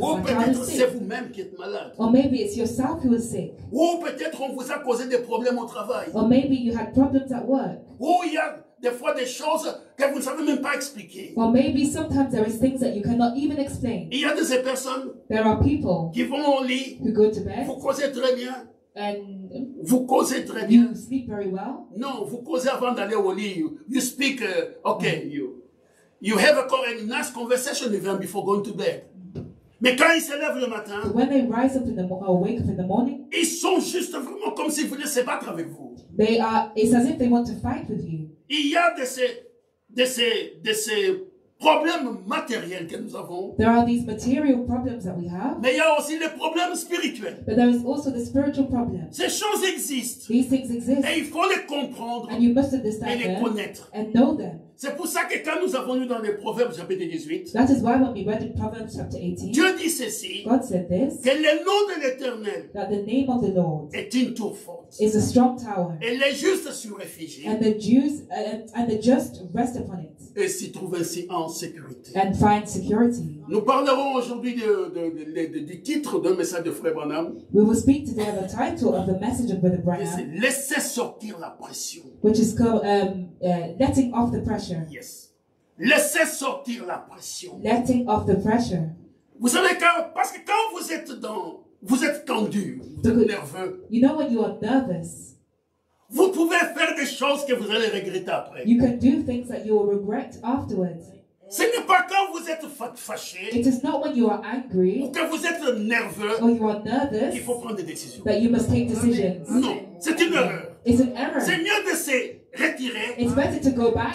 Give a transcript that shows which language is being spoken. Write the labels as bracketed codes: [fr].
[fr] ou [en] my child is sick. [fr] Peut-être c'est vous-même qui êtes malade. [en] Or maybe it's yourself who is sick. [fr] Ou peut-être on vous a causé des problèmes au travail. [en] Or maybe you had problems at work. [fr] Ou il y a des fois des choses que vous ne savez même pas expliquer. [en] Or maybe sometimes there is things that you cannot even explain. [fr] Il y a des personnes. [en] There are people [fr] qui vont au lit. [en] Who go to bed. [fr] Vous causez très bien. [en] And [fr] vous causez très [en] you [fr] bien. [en] You sleep very well. [fr] Non, vous causez avant d'aller au lit. [en] You speak. Okay, [fr] mm-hmm. [en] You have a nice conversation even before going to bed. [fr] Mais quand ils se lèvent le matin, [en] when they rise up in the morning, wake up in the morning, [fr] ils sont juste vraiment comme s'ils voulaient se battre avec vous. [en] They are. It's as if they want to fight with you. [fr] Il y a de ces problèmes matériels que nous avons. [en] There are these material problems that we have. [fr] Mais il y a aussi les problèmes spirituels. [en] But there is also the spiritual problem. [fr] Ces choses existent. [en] These things exist. [fr] Et il faut les comprendre. [en] And you must understand [fr] et les connaître. [en] And know them. [fr] C'est pour ça que quand nous avons lu dans les Proverbes chapitre 18, [en] that is why when we read in Proverbs chapter 18, [fr] Dieu dit ceci, [en] God said this, [fr] que le nom de l'Éternel, [en] that the name of the Lord, [fr] est une tour forte, [en] is a strong tower, [fr] et les justes s'y réfugient, [en] and the Jews and the just rest upon it, [fr] et s'y trouvent ainsi en sécurité, [en] and find security. [fr] Nous parlerons aujourd'hui du titre d'un message de Frère Branham. [en] We will speak today of the title of the message of Brother Branham. [fr] C'est laisser sortir la pression. [en] Which is called letting off the pressure. [fr] Yes. Laisser sortir la pression. [en] Letting off the pressure. [fr] Vous savez quand, parce que quand vous êtes tendu, nerveux. [en] You know when you are nervous. [fr] Vous pouvez faire des choses que vous allez regretter après. [en] You can do things that you will regret afterwards. [fr] Ce n'est pas quand vous êtes fâché. [en] It is not when you are angry. [fr] Ou quand vous êtes nerveux. [en] Or you are nervous. [fr] Qu'il faut prendre des décisions. [en] That you must take decisions. [fr] Non, c'est une erreur. [en] It's an error. [fr] C'est mieux de se retirer. [en] It's better to go back.